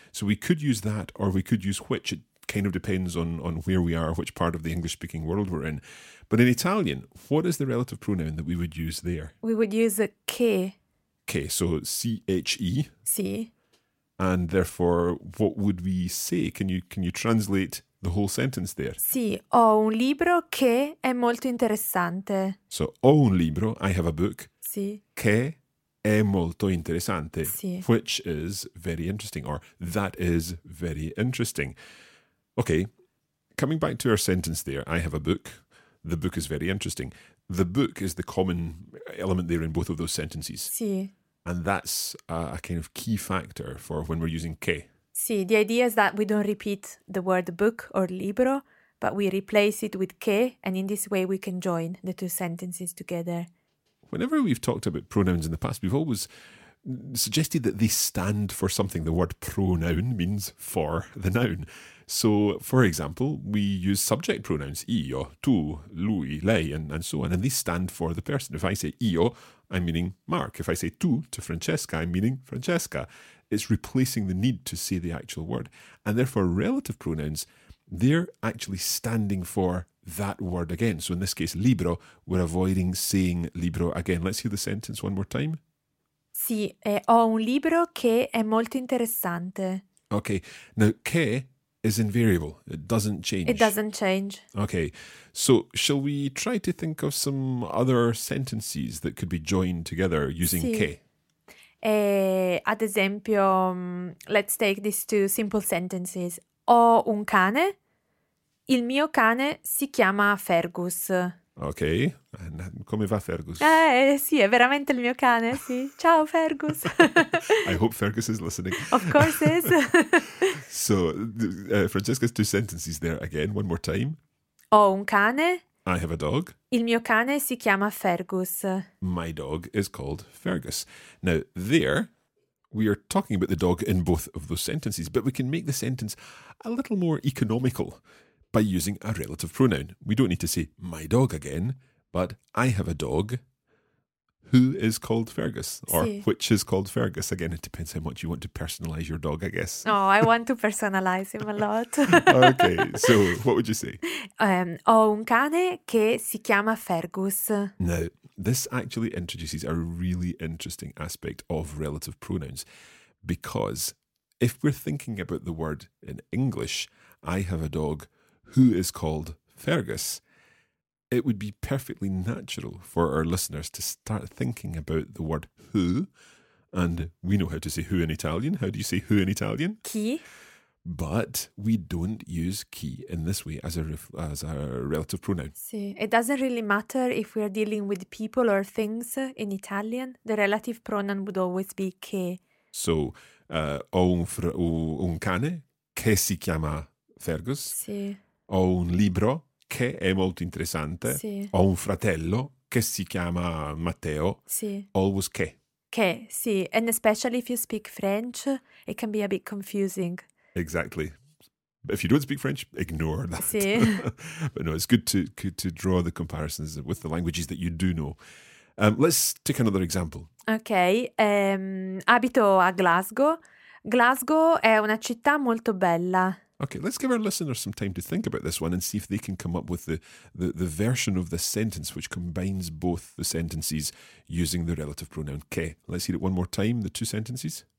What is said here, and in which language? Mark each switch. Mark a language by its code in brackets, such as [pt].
[en] So we could use that, or we could use which. It kind of depends on where we are, which part of the English-speaking world we're in. But in Italian, what is the relative pronoun that we would use there? We would use a che. Che, so C-H-E. [it] Sì. [en] And therefore, what would we say? Can you translate the whole sentence there? [it] Sì, ho un libro che è molto interessante. [en] So, [it] ho un libro, [en] I have a book. [it] Sì. Che è molto interessante. Sì. [en] Which is very interesting, or that is very interesting. Okay, coming back to our sentence there, I have a book, the book is very interesting. The book is the common element there in both of those sentences. [it] Sì. [en] And that's a kind of key factor for when we're using che. Sì, the idea is that we don't repeat the word book or libro, but we replace it with che, and in this way we can join the two sentences together. Whenever we've talked about pronouns in the past, we've always suggested that they stand for something. The word pronoun means for the noun. So, for example, we use subject pronouns, io, tu, lui, lei, and so on, and they stand for the person. If I say io, I'm meaning Mark. If I say tu to Francesca, I'm meaning Francesca. It's replacing the need to say the actual word. And therefore, relative pronouns, they're actually standing for that word again. So in this case, libro, we're avoiding saying libro again. Let's hear the sentence one more time. [it] Sì, ho un libro che è molto interessante. [en] Okay, now che is invariable. It doesn't change. It doesn't change. Okay, so shall we try to think of some other sentences that could be joined together using che? [it] Ad esempio, [en] let's take these two simple sentences. [it] Ho un cane. Il mio cane si chiama Fergus. Ok, come va Fergus? Sì, è veramente il mio cane, sì. Ciao Fergus. [en] I hope Fergus is listening. Of course he is. So, Francesca's two sentences there again, one more time. [it] Ho un cane. [en] I have a dog. [it] Il mio cane si chiama Fergus. [en] My dog is called Fergus. Now, there, we are talking about the dog in both of those sentences, but we can make the sentence a little more economical by using a relative pronoun. We don't need to say my dog again, but I have a dog who is called Fergus, or [it] sí. [en] Which is called Fergus. Again, it depends how much you want to personalize your dog, I guess. Oh, I want to personalize him a lot. Okay, so what would you say? [it] Ho un cane che si chiama Fergus. [en] Now, this actually introduces a really interesting aspect of relative pronouns, because if we're thinking about the word in English, I have a dog who is called Fergus, it would be perfectly natural for our listeners to start thinking about the word who, and we know how to say who in Italian. How do you say who in Italian? [it] Chi. [en] But we don't use chi in this way as a relative pronoun. [it] Sì. [en] It doesn't really matter if we are dealing with people or things in Italian. The relative pronoun would always be che. [it] So, ho un cane che si chiama Fergus. Sì. Ho un libro che è molto interessante. Sì. Ho un fratello che si chiama Matteo. Sì. [en] Always che. [it] Che, sì. [en] And especially if you speak French, it can be a bit confusing. Exactly. If you don't speak French, ignore that. [it] Sì. [en] But no, it's good to draw the comparisons with the languages that you do know. Let's take another example. [it] Ok. Abito a Glasgow. Glasgow è una città molto bella. [en] Okay, let's give our listeners some time to think about this one and see if they can come up with the version of the sentence which combines both the sentences using the relative pronoun che. Let's hear it one more time, the two sentences.